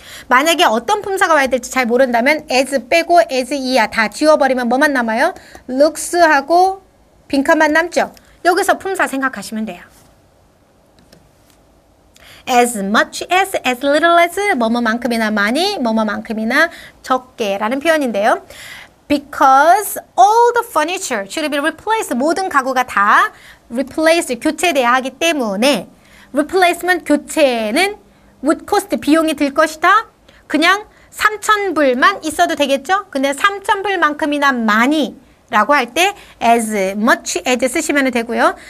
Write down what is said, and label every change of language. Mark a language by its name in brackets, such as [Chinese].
[Korean] 만약에 어떤 품사가 와야 될지 잘 모른다면 as 빼고 as 이하 다 지워버리면 뭐만 남아요? looks하고 빈칸만 남죠? 여기서 품사 생각하시면 돼요. [English] As much as little as, [Korean] 뭐뭐만큼이나 많이, 뭐뭐만큼이나 적게 라는 표현인데요. [English] Because all the furniture should be replaced. [Korean] 모든 가구가 다 replaced, 교체되어야 하기 때문에 replacement, 교체는 would cost, 비용이 들 것이다. 그냥 3,000불만 있어도 되겠죠? 근데 3,000불만큼이나 많이 라고 할 때 as much as 쓰시면 되고요.